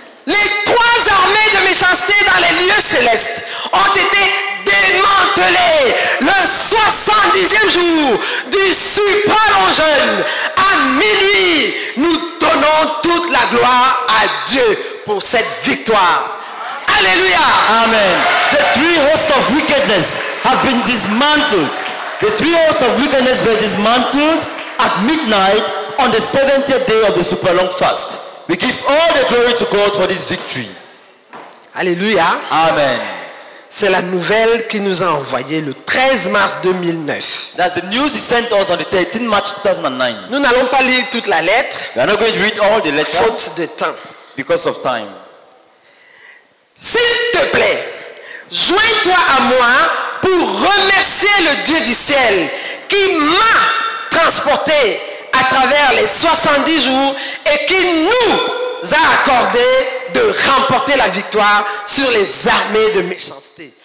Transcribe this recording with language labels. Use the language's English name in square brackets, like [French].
[French] Les trois armées de méchanceté dans les lieux célestes ont été démantelées le 70e jour du super jeûne à minuit. Nous donnons toute la gloire à Dieu pour cette victoire. Alléluia. Amen. [English] The three hosts of wickedness have been dismantled. The three hosts of wickedness were dismantled at midnight on the 70th day of the super long fast. We give all the glory to God for this victory. Alléluia. Amen. [French] C'est la nouvelle qu'il nous a envoyée le 13 mars 2009. [English] That's the news he sent us on the 13th March 2009. [French] Nous n'allons pas lire toute la lettre. [English] We are not going to read all the letters. [French] Faute de temps. [English] Because of time. [French] S'il te plaît, joins-toi à moi pour remercier le Dieu du ciel qui m'a transporté à travers les 70 jours et qui nous a accordé de remporter la victoire sur les armées de méchanceté.